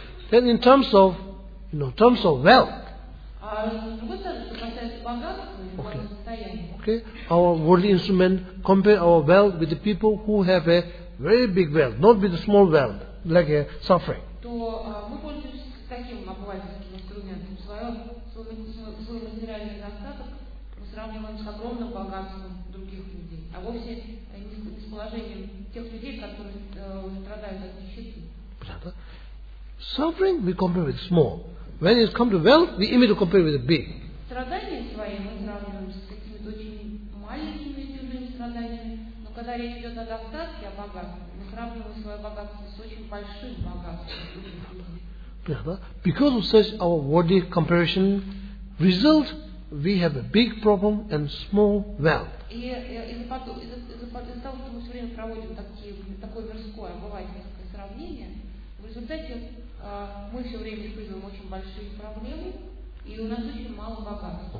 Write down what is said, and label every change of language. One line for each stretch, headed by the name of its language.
English: Then in terms of, you know, terms of wealth.
Russian: А с другой стороны, что касается богатства, okay. Благосостояния. Okay.
English: Our worldly instrument compare our wealth with the people who have a very big wealth, not with a small wealth, like a suffering.
Russian: То мы пользуемся таким обывательским инструментом. Свой материальный достаток мы сравниваем с огромным богатством других людей, а вовсе не с положением тех людей, которые страдают от нищеты.
English: Suffering we compare with small. When it comes to wealth, we immediately compare with the big.
Russian: Страдания свои мы сравниваем с какими-то очень маленькими чужими страданиями. Но когда речь идет о достатке, о богатстве, мы сравниваем свое богатство с очень большим богатством.
English: Because of such our worldly comparison result, we have a big problem and small wealth.
Russian: И из-за того, что мы все время проводим такое мирское обывательское сравнение, в результате мы все время испытываем очень большие проблемы, и у нас очень мало богатства.